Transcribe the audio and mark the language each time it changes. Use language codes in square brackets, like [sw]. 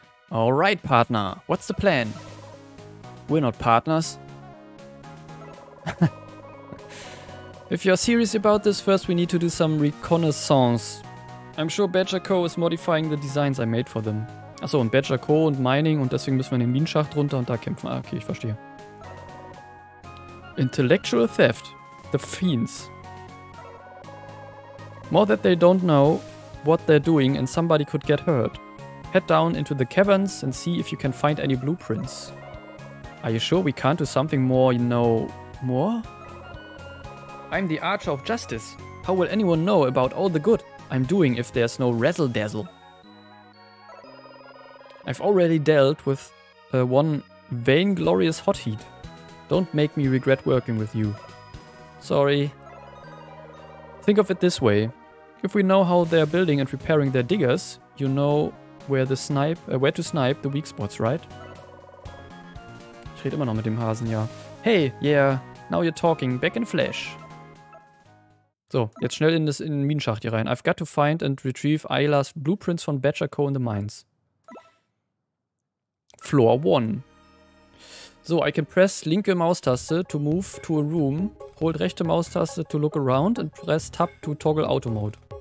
[en] Alright, Partner. What's the plan? We're not partners. If you're serious about this, first we need to do some reconnaissance. I'm sure Badger Co. is modifying the designs I made for them. [de] Achso, und Badger Co. und Mining, und deswegen müssen wir in den Minenschacht runter und da kämpfen. Ah, okay, ich verstehe. [en] Intellectual theft. The fiends. More that they don't know what they're doing and somebody could get hurt. Head down into the caverns and see if you can find any blueprints. Are you sure we can't do something more, you know, more? I'm the Archer of Justice. How will anyone know about all the good I'm doing if there's no razzle-dazzle? I've already dealt with one vainglorious hot heat. Don't make me regret working with you. Sorry. Think of it this way. If we know how they're building and repairing their diggers, you know where the snipe, where to snipe the weak spots, right? [de] Ich rede immer noch mit dem Hasen, ja. [en] Hey, yeah, now you're talking, back in flash. [de] So, jetzt schnell in den Minenschacht hier rein. [en] I've got to find and retrieve Ayla's blueprints from Badger Co. in the mines. Floor 1. So, I can press [de] linke Maustaste [en] to move to a room, hold [de] rechte Maustaste [en] to look around and press tab to toggle auto mode.